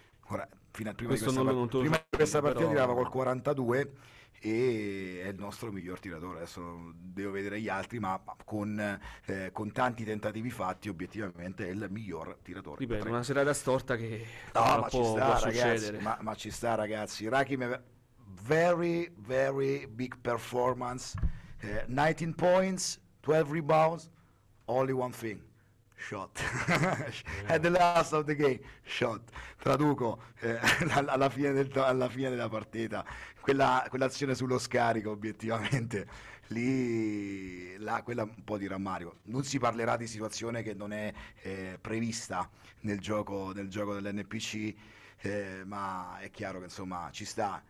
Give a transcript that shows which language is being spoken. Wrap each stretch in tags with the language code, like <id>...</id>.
<it>Ora, fino a prima questo di questa, non, prima di questa partita però... tirava col 42 e è il nostro miglior tiratore. Adesso devo vedere gli altri, ma con tanti tentativi fatti, obiettivamente è il miglior tiratore. Ripeto, una serata storta che no, ma può, ci sta, può ragazzi, ma ci sta, ragazzi.</it> <en>Rakim, very, very big performance. 19 points, 12 rebounds, only one thing. Shot at the last of the game, shot,</en> <it>traduco, alla fine della partita, quell'azione sullo scarico, obiettivamente lì là, quella un po' di rammarico. Non si parlerà di situazione che non è prevista nel gioco dell'NPC, ma è chiaro che insomma ci sta.</it>